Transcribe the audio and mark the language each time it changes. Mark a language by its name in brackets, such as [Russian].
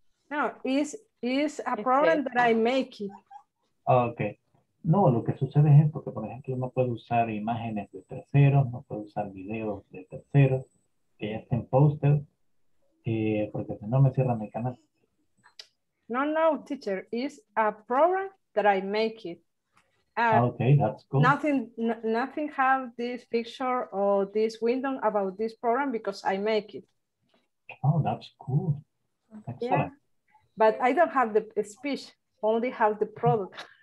[English] No, is a problem that I make it. Okay. [Spanish] No, lo que sucede es porque, por ejemplo, no puedo usar imágenes de terceros, no puedo usar videos de terceros que ya estén posted, porque si no me cierran el canal. [English] No, teacher, is a problem that I make it. Okay, that's cool. Nothing have this picture or this window about this program because I make it. Oh, that's cool. Excellent. Yeah, but I don't have the speech, only have the product.